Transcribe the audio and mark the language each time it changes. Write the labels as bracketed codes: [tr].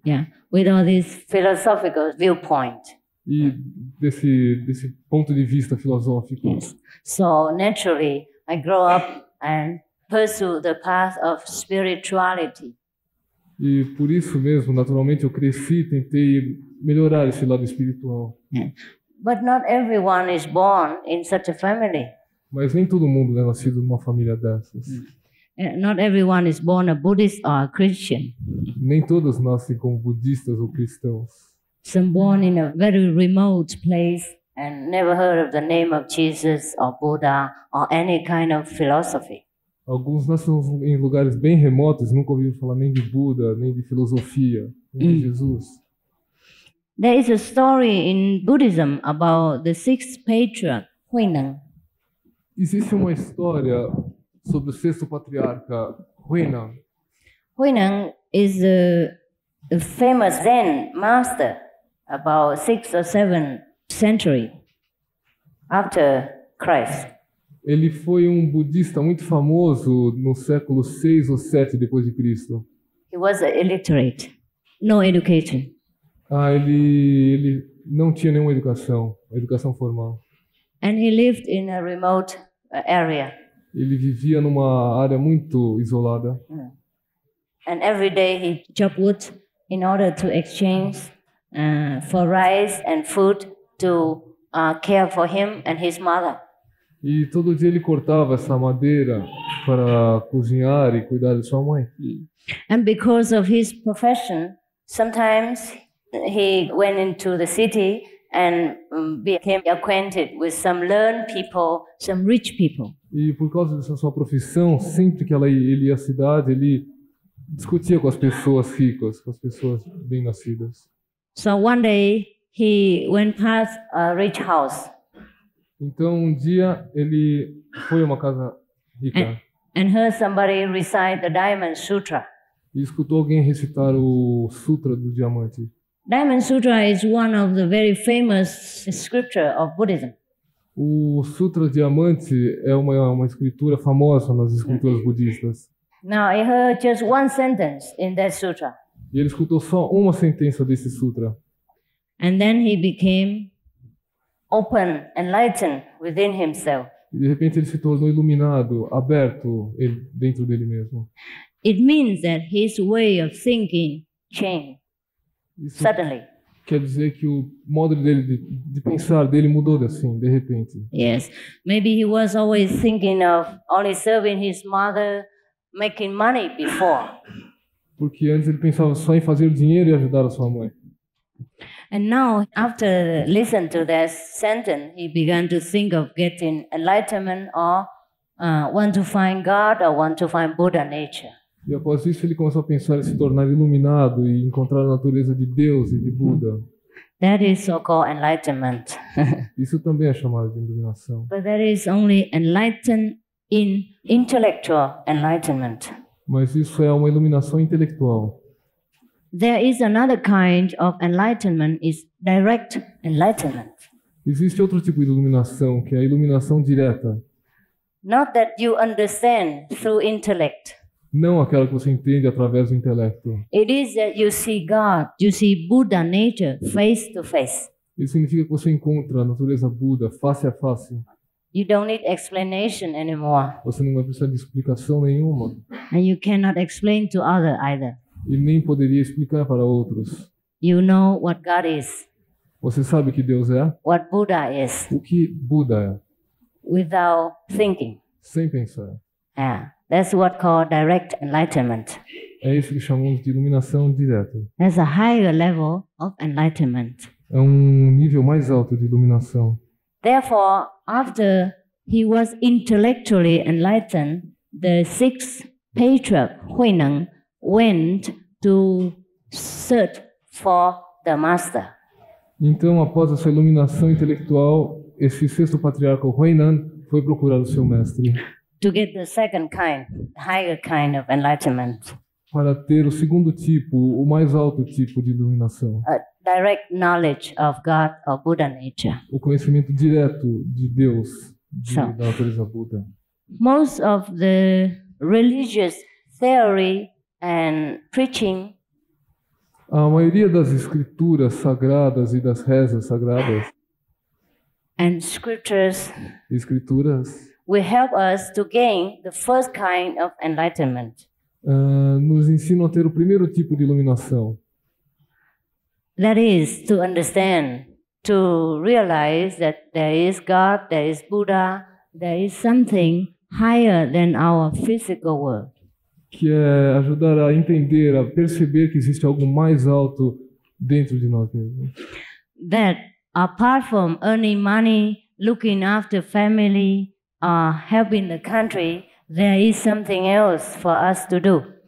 [en] Yeah, with all this philosophical viewpoint. [pt] E desse ponto de vista filosófico. [en] Yes. So naturally, I grow up and pursue the path of spirituality. [pt] E por isso mesmo, naturalmente, eu cresci e tentei melhorar esse lado espiritual. [en] Yeah. But not everyone is born in such a family. [pt] Mas nem todo mundo é nascido numa família dessas. [en] Not everyone is born a Buddhist or a Christian. [pt] Nem todos nascem como budistas ou cristãos. [en] Some born in a very remote place and never heard of the name of Jesus or Buddha or any kind of philosophy. [pt] Alguns nascem em lugares bem remotos, nunca ouviram falar nem de Buda, nem de filosofia, nem de Jesus. [en] There is a story in Buddhism about the sixth patriarch, Huineng. [pt] Existe uma história sobre o sexto patriarca, Huineng. [en] Huineng is a famous Zen master about 6th or 7th century after Christ. [pt] Ele foi budista muito famoso no século 6 ou 7 depois de Cristo. [en] He was illiterate. No education. [pt] Ele não tinha nenhuma educação formal. [en] And he lived in a remote area. [pt] Ele vivia numa área muito isolada. [en] And every day he chopped wood in order to exchange for rice and food to care for him and his mother. [pt] E todo dia ele cortava essa madeira para cozinhar e cuidar de sua mãe. [en] And because of his profession, sometimes he went into the city and became acquainted with some learned people, some rich people. [pt] E por causa dessa sua profissão, sempre que ele ia à cidade, ele discutia com as pessoas ricas, com as pessoas bem nascidas. [en] So one day he went past a rich house. [pt] Então um dia ele foi a uma casa rica. [en] And heard somebody recite the Diamond Sutra. [pt] E escutou alguém recitar o Sutra do Diamante. [en] Diamond Sutra is one of the very famous scripture of Buddhism. [pt] O Sutra Diamante é uma escritura famosa nas escrituras budistas. [en] Now I heard just one sentence in that sutra. [pt] E ele escutou só uma sentença desse sutra. [en] And then he became open, enlightened within himself. [pt] E de repente ele se tornou iluminado, aberto dentro dele mesmo. [en] It means that his way of thinking changed. [pt] Isso [en] suddenly. [pt] Quer dizer que o modo dele de pensar dele mudou assim, de repente. [en] Yes. Maybe he was always thinking of only serving his mother, making money before. [pt] Porque antes ele pensava só em fazer dinheiro e ajudar a sua mãe. [en] And now, after listening to that sentence, he began to think of getting enlightenment or want to find God or want to find Buddha nature. [pt] E após isso ele começou a pensar em se tornar iluminado e encontrar a natureza de Deus e de Buda. [en] That is so-called enlightenment. [pt] Isso também é chamado de iluminação. [en] But that is only enlightened in intellectual enlightenment. [pt] Mas isso é uma iluminação intelectual. [en] There is another kind of enlightenment, is direct enlightenment. [pt] Existe outro tipo de iluminação, que é a iluminação direta. [en] Not that you understand through intellect. [pt] Não aquela que você entende através do intelecto. [en] It is that you see God, you see Buddha nature face to face. [pt] Isso significa que você encontra a natureza Buda face a face. [en] You don't need explanation anymore. [pt] Você não vai precisar de explicação nenhuma. [en] And you cannot explain to other either. [pt] E nem poderia explicar para outros. [en] You know what God is. [pt] Você sabe que Deus é? [en] What Buddha is. [pt] O que Buda é? [en] Without thinking. [pt] Sem pensar. [en] Yeah. That's what called direct enlightenment. [pt] É isso que chamamos de iluminação direta. [en] That's a higher level of enlightenment. [pt] É nível mais alto de iluminação. [en] Therefore, after he was intellectually enlightened, the sixth patriarch Huineng went to search for the master. [pt] Então, após essa iluminação intelectual, esse sexto patriarca Huineng foi procurar o seu mestre. [en] To get the second kind, higher kind of enlightenment. [pt] Para ter o segundo tipo, o mais alto tipo de iluminação. [en] A direct knowledge of God or Buddha nature. [pt] O conhecimento direto de Deus, da natureza Buda. [en] Most of the religious theory and preaching. [pt] A maioria das escrituras sagradas e das rezas sagradas. [en] And scriptures. [pt] Escrituras. [en] Will help us to gain the first kind of enlightenment. [pt] Nos ensinam a ter o primeiro tipo de iluminação. [en] That is to understand, to realize that there is God, there is Buddha, there is something higher than our physical world. [pt] Que é ajudar a entender, a perceber que existe algo mais alto dentro de nós mesmos. [en] That apart from earning money, looking after family, helping the country, there is something else for us to do.